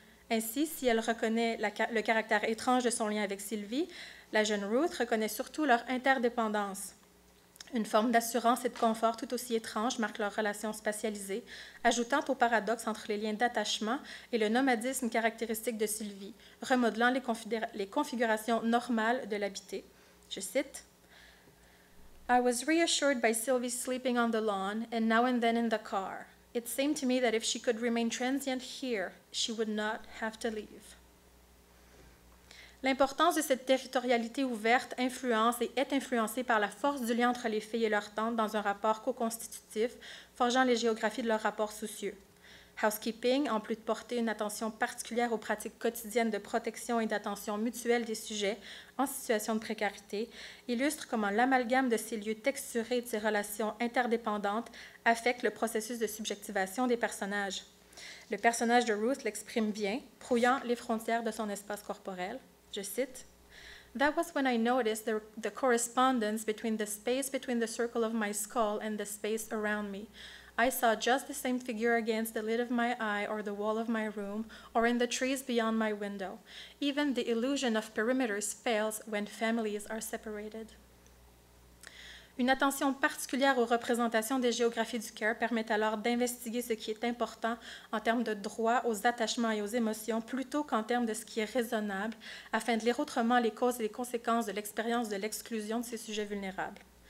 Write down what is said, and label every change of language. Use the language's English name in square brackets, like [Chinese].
[French] Ainsi, si elle reconnaît le caractère étrange de son lien avec Sylvie, la jeune Ruth reconnaît surtout leur interdépendance. Une forme d'assurance et de confort tout aussi étrange marque leur relation spatialisée, ajoutant au paradoxe entre les liens d'attachement et le nomadisme caractéristique de Sylvie, remodelant les configurations normales de l'habité. Je cite, [English] I was reassured by Sylvie sleeping on the lawn and now and then in the car. It seemed to me that if she could remain transient here, she would not have to leave. [French] L'importance de cette territorialité ouverte influence et est influencée par la force du lien entre les filles et leurs tantes dans un rapport co-constitutif, forgeant les géographies de leurs rapports soucieux. Housekeeping, en plus de porter une attention particulière aux pratiques quotidiennes de protection et d'attention mutuelle des sujets en situation de précarité, illustre comment l'amalgame de ces lieux texturés et de ces relations interdépendantes affecte le processus de subjectivation des personnages. Le personnage de Ruth l'exprime bien, brouillant les frontières de son espace corporel. Je cite, [English] That was when I noticed the correspondence between the space between the circle of my skull and the space around me. I saw just the same figure against the lid of my eye or the wall of my room or in the trees beyond my window. Even the illusion of perimeters fails when families are separated. [French] Une attention particulière aux représentations des géographies du cœur permet alors d'investiguer ce qui est important en termes de droit aux attachements et aux émotions plutôt qu'en termes de ce qui est raisonnable, afin de lire autrement les causes et les conséquences de l'expérience de l'exclusion de ces sujets vulnérables.